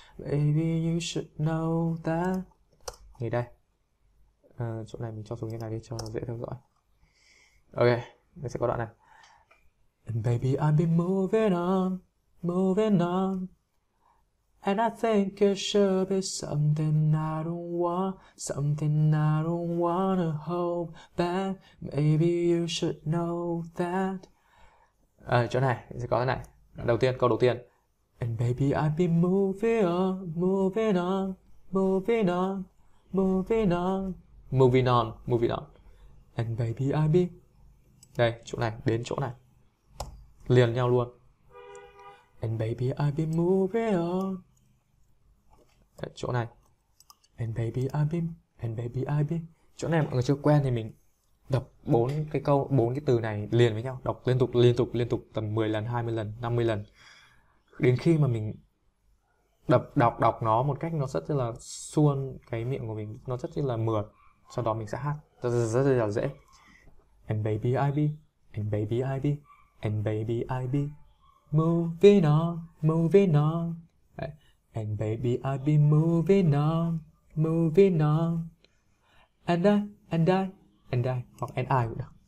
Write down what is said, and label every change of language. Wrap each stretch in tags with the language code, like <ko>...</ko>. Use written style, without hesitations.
<en>Maybe you should know that.</en> <vi>Nghỉ đây. Chỗ này mình cho xuống như này đi cho nó dễ theo dõi. Ok, mình sẽ có đoạn này.</vi> <en>And baby I've been moving on, moving on. And I think it should be something I don't want, something I don't wanna hold back. Maybe you should know that.</en> <vi>Chỗ này mình sẽ có cái này. Đầu tiên, câu đầu tiên.</vi> <en>And baby I've been moving on, moving on, moving on, moving on. Moving on, moving on. And baby I be.</en> <vi>Đây, chỗ này, đến chỗ này. Liền nhau luôn.</vi> <en>And baby I be moving on.</en> <vi>Đây, chỗ này.</vi> <en>And baby I be, and baby I be.</en> <vi>Chỗ này mọi người chưa quen thì mình đọc bốn cái câu, bốn cái từ này liền với nhau, đọc liên tục liên tục liên tục tầm 10 lần, 20 lần, 50 lần. Đến khi mà mình đọc đọc đọc nó một cách nó rất là suôn cái miệng của mình, nó rất là mượt. Sau đó mình sẽ hát rất là dễ.</vi> <en>And baby I be, and baby I be, and baby I be moving on, moving on. And baby I be moving on, moving on. And I, and I, and I,</en> <vi>hoặc</vi> <en>and I</en> <vi>cũng được.</vi>